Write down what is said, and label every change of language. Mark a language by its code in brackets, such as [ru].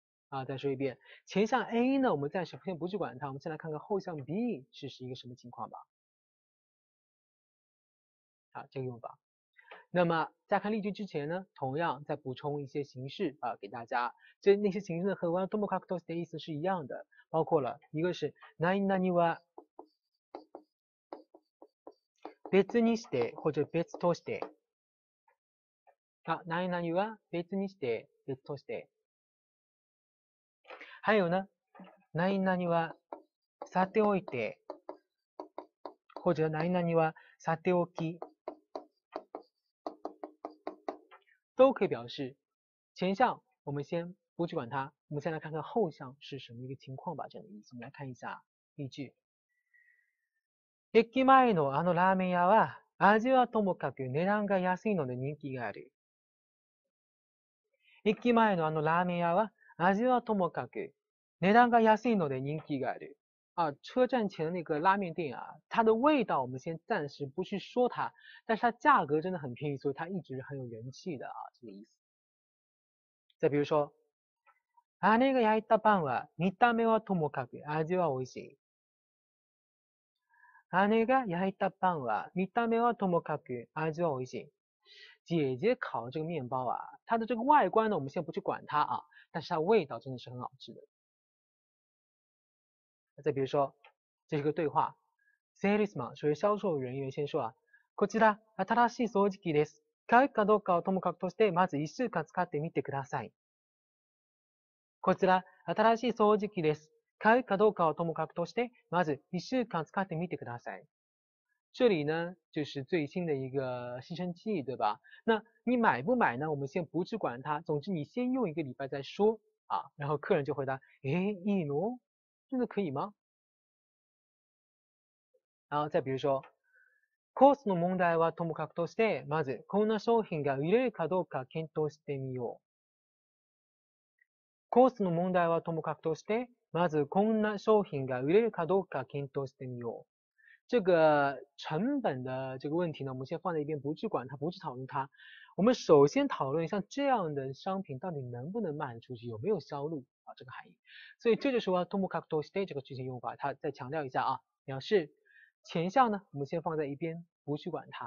[zh] 啊，再说一遍，前项 A 呢，我们暂时先不去管它，我们先来看看后项 B 是一个什么情况吧。好，这个用法。那么在看例句之前呢，同样再补充一些形式啊，给大家。这那些形式呢，和わともかくとして的意思是一样的，包括了一个是何々は。 [ja] 別にして [zh] 或者 [ja] 別として。啊，何々は別にして別として。 [zh] 还有呢， [ja] 何々はさておいて [zh] 或者 [ja] 何々はさておき， [zh] 都可以表示前项我们先不去管它，我们先来看看后项是什么一个情况吧，这样的意思。我们来看一下例句。 [ja] 駅前のあのラーメン屋は味はともかく値段が安いので人気がある。駅前のあのラーメン屋は味はともかく値段が安いので人気がある。 [zh] 啊，车站前的那个拉面店啊，它的味道我们先暂时不去说它，但是它价格真的很便宜，所以它一直很有人气的啊，这个意思。再比如说， [ja] 姉が焼いたパンは見た目はともかく味は美味しい。姐が焼いたパンは見た目はともかく味は美味しい。 [zh] 姐姐烤的这个面包啊，它的这个外观呢，我们先不去管它啊，但是它味道真的是很好吃的。再比如说，这是个对话。セールスマン，属于销售人员先说啊， [ja] こちら新しい掃除機です。買うかどうかはともかくとして、まず1週間使ってみてください。こちら、新しい掃除機です。買うかどうかはともかくとして、まず1週間使ってみてください。 [zh] 这里呢，就是最新的一个吸尘器，对吧？那你买不买呢？我们先不去管它，总之你先用一个礼拜再说啊。然后客人就回答：“哎，一挪，真的可以吗？” 然后再比如说， [ja] コースの問題はともかくとして、まずこんな商品が売れるかどうか検討してみよう。コースの問題はともかくとして、まずこんな商品が売れるかどうか検討してみよう。 [zh] 这个成本的这个问题呢，我们先放在一边，不去管它，不去讨论它。我们首先讨论像这样的商品到底能不能卖出去，有没有销路啊？这个含义。所以这就是说，ともかくとして这个句型用法，它再强调一下啊，表示前项呢，我们先放在一边，不去管它。